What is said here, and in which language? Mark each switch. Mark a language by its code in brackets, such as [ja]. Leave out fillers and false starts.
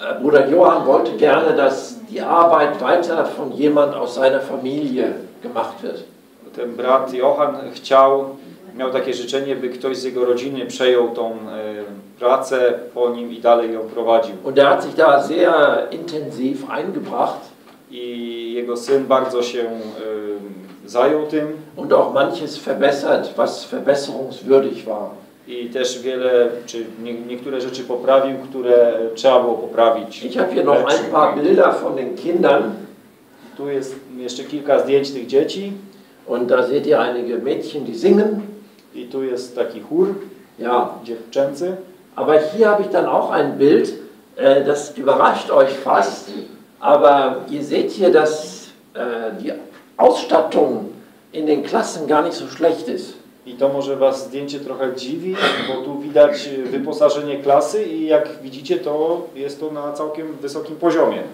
[de] Bruder Johann wollte gerne, dass die Arbeit weiter von jemand aus seiner Familie gemacht wird. [pl] Ten brat Johann chciał, miał takie życzenie, by ktoś z jego rodziny przejął tą pracę po nim i dalej ją prowadził. [de] Und er hat sich da sehr intensiv eingebracht. [pl] I jego syn bardzo się zajął tym. [de] Und auch manches verbessert, was verbesserungswürdig war. [pl] I też wiele, czy niektóre rzeczy poprawił, które trzeba było poprawić. [de] Ich habe hier noch ein paar Bilder von den Kindern. [pl] Tu jest jeszcze kilka zdjęć tych dzieci. [de] Und da seht ihr einige Mädchen, die singen. [pl] I tu jest taki chór, [de] ja, [pl] dziewczęcy. [de] Aber hier habe ich dann auch ein Bild, das überrascht euch fast, aber ihr seht hier, dass die Ausstattung in den Klassen gar nicht so schlecht ist. [pl] I to może was zdjęcie trochę dziwi, bo tu widać wyposażenie klasy i jak widzicie, to jest to na całkiem wysokim poziomie.